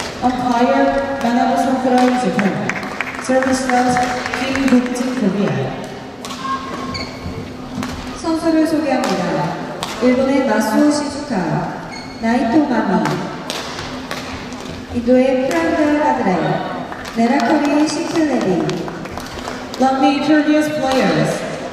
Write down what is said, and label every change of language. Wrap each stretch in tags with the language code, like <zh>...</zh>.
<en>Umpire, Manabu Sakurai, Japan. Service judge, Kim Guk-jin, Korea.</en> <ko>선수를 소개합니다. 일본의 마스오 시즈카, 나이토 마미. 인도의 프라이드 하드레, 네라코리 시클레디.</ko> <en>Let me introduce players.</en>